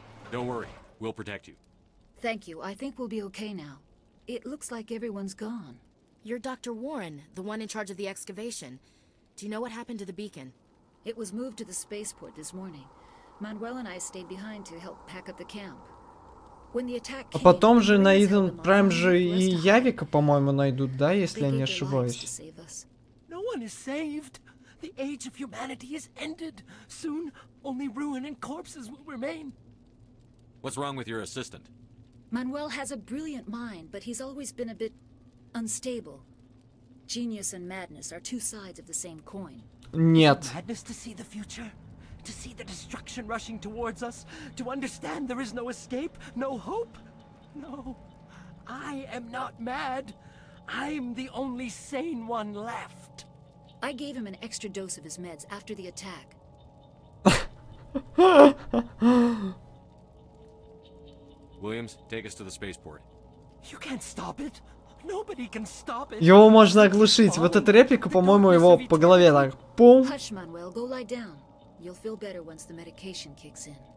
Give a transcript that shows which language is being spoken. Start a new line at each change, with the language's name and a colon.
English: Don't worry, we'll protect you. Thank you. I think we'll be okay now. It looks like everyone's gone. You're Dr. Warren, the one in charge of the excavation. Do you know what happened to the beacon? It was moved to the spaceport this morning. Manuel and I stayed behind to help pack up the camp. When the attack came,
Russian: а потом же на Иден Прайм же и Явика, по-моему, найдут, да, если я не ошибаюсь.
English: No one is saved. The age of humanity is ended. Soon, only ruin and corpses will remain. What's wrong with your assistant? Manuel has a brilliant mind, but he's always been a bit unstable. Genius and madness are two sides of the same coin.
Russian: Нет.
English: Madness to see the future, to see the destruction rushing towards us, to understand there is no escape, no hope. No, I am not mad. I'm the only sane one left. I gave him an extra dose of his meds after the attack. Williams, take us to the spaceport. You can't stop it. Nobody can stop it.
Russian: Его можно оглушить. Вот эта реплика, по-моему, его по голове так. Пум.
English: Hush, Manuel, go lie down. You'll feel better once the medication kicks in.